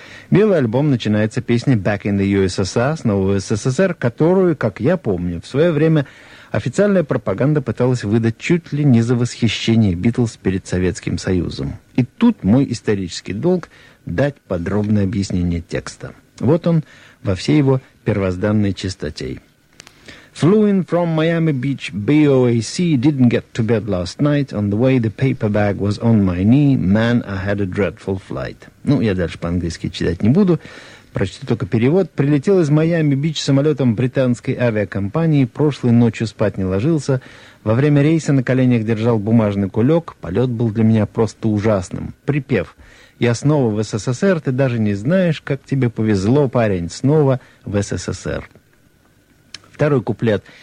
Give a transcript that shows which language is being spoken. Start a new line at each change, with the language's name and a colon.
Russian: «Белый альбом» начинается песней «Back in the USSR» — «Снова в СССР», которую, как я помню, в свое время официальная пропаганда пыталась выдать чуть ли не за восхищение «Битлз» перед Советским Союзом. И тут мой исторический долг — дать подробное объяснение текста. Вот он во всей его первозданной чистоте.
English: «Flew in from Miami Beach, BOAC, didn't get to bed last night. On the way, the paper bag was on my knee. Man, I had a dreadful flight».
Russian: Ну, я дальше по-английски читать не буду. Прочту только перевод. «Прилетел из Майами-Бич самолетом британской авиакомпании. Прошлой ночью спать не ложился. Во время рейса на коленях держал бумажный кулек. Полет был для меня просто ужасным». Припев. Я снова в СССР, ты даже не знаешь, как тебе повезло, парень, снова в СССР. Второй куплет.